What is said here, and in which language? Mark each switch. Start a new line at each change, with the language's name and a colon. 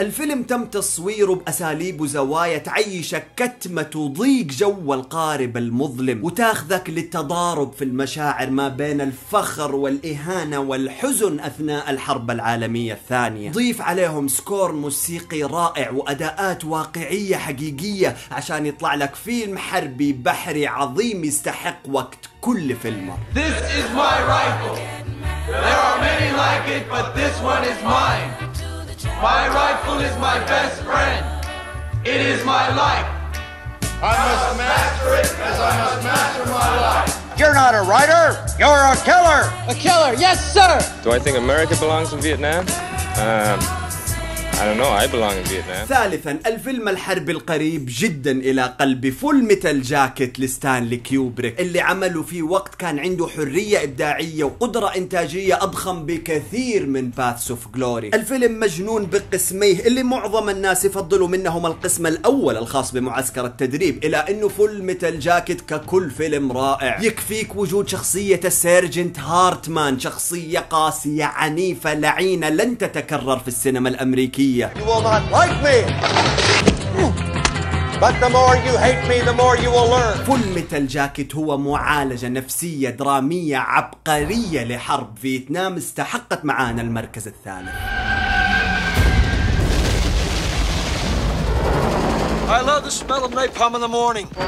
Arabic: الفيلم تم تصويره بأساليب وزوايا تعيشك كتمة وضيق جو القارب المظلم، وتاخذك للتضارب في المشاعر ما بين الفخر والإهانة والحزن أثناء الحرب العالمية الثانية. ضيف عليهم سكور موسيقي رائع وأداءات واقعية حقيقية عشان يطلع لك فيلم حربي بحري عظيم يستحق وقت كل فيلمه.
English: This is my rifle. There are many like it, but this one is mine. My rifle is my best friend. It is my life. I must master it as I must master my life. You're not a writer. You're a killer. A killer, yes sir. Do I think America belongs in Vietnam? I don't know. I belong in Vietnam.
Arabic: ثالثاً، الفيلم الحربي القريب جداً إلى قلبي فول ميتال جاكيت لستانلي كيوبريك، اللي عمله في وقت كان عنده حرية إبداعية وقدرة إنتاجية أضخم بكثير من Paths of Glory. الفيلم مجنون بقسميه، اللي معظم الناس يفضلوا منهم القسم الأول الخاص بمعسكر التدريب، إلى أنه فول ميتال جاكيت ككل فيلم رائع. يكفيك وجود شخصية السيرجنت هارتمان، شخصية قاسية عنيفة لعينة لن تتكرر في السينما الأمريكية.
English: You will not like me. But the more you hate me, the more you will learn.
Arabic: فول ميتال جاكيت هو معالجة نفسية درامية عبقرية لحرب فيتنام استحقت معانا المركز الثالث.
English: I love the smell of napalm in the morning.